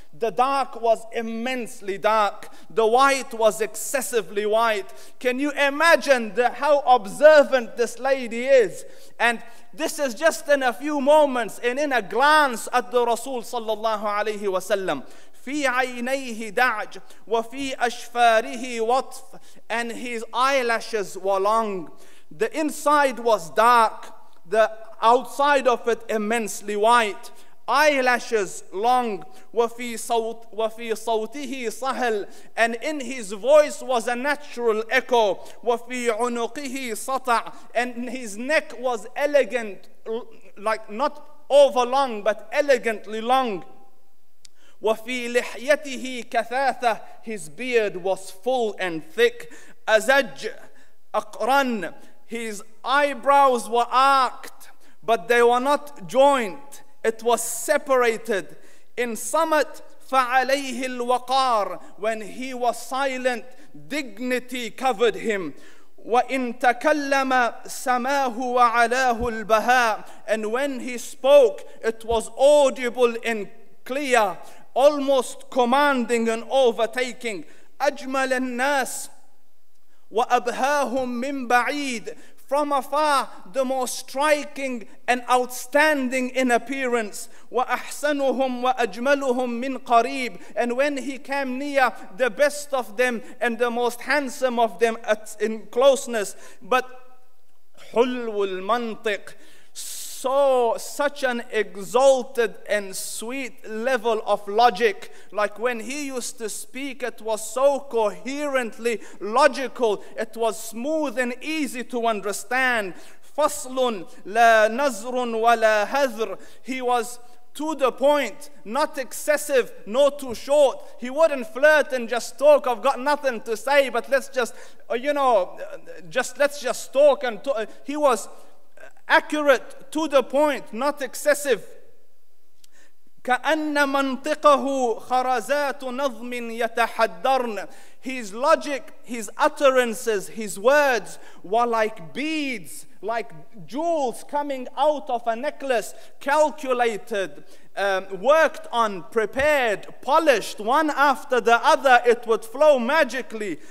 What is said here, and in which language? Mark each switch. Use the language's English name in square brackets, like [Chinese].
[English] The dark was immensely dark. The white was excessively white. Can you imagine how observant this lady is? And this is just in a few moments and in a glance at the Rasul sallallahu alayhi wa sallam. [Arabic] في عينيه دعج وفي أشفاره وطف, [English] and his eyelashes were long. The inside was dark, the outside of it immensely white. Eyelashes long, [Arabic] وفي صوته صهل, [English] and in his voice was a natural echo. [Arabic] وفي عنقه سطع, [English] and his neck was elegant, like not over long but elegantly long. [Arabic] وفي لحيته كثاثة, [English] his beard was full and thick. [Arabic] أزج أقرن, [English] his eyebrows were arced but they were not joined, it was separated. In summit, [Arabic] فعليه الوقار, [English] when he was silent, dignity covered him. [Arabic] وإن تكلم سماه وعلاه البهاء, [English] and when he spoke, it was audible and clear, almost commanding and overtaking. [Arabic] أجمل الناس وأبهاهم من بعيد, [English] from afar, the most striking and outstanding in appearance. [Arabic] وأحسنهم وأجملهم من قريب, [English] and when he came near, the best of them and the most handsome of them in closeness. But [Arabic] حلو المنطق, [English] so such an exalted and sweet level of logic, like when he used to speak, it was so coherently logical, it was smooth and easy to understand. [Arabic] Faslun la nazrun wa la hazr, [English] he was to the point, not excessive nor too short. He wouldn't flirt and just talk, I've got nothing to say, but let's just, you know, just let's just talk and talk. He was accurate, to the point, not excessive. [Arabic] كأن منطقه خرزات نظم يتحدرن, [English] his logic, his utterances, his words were like beads, like jewels coming out of a necklace, calculated, worked on, prepared, polished, one after the other, it would flow magically.